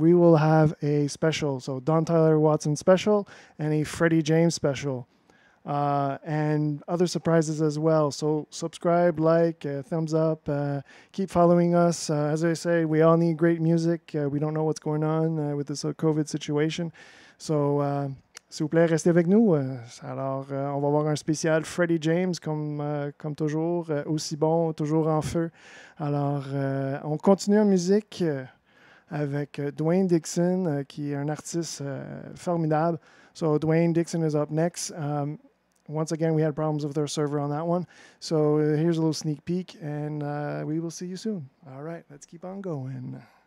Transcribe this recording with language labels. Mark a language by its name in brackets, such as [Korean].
[English] We will have a special. So Don Tyler Watson special and a Freddie James special. And other surprises as well. So subscribe, like, thumbs up, keep following us. As I say, we all need great music. We don't know what's going on with this COVID situation. [French] So, s'il vous plaît, restez avec nous. Alors, on va avoir un spécial Freddie James, comme toujours, aussi bon, toujours en feu. Alors, on continue en musique avec Dwayne Dixon, qui est un artiste formidable. [English] So, Dwayne Dixon is up next. Once again, we had problems with our server on that one. So here's a little sneak peek, and we will see you soon. All right, let's keep on going.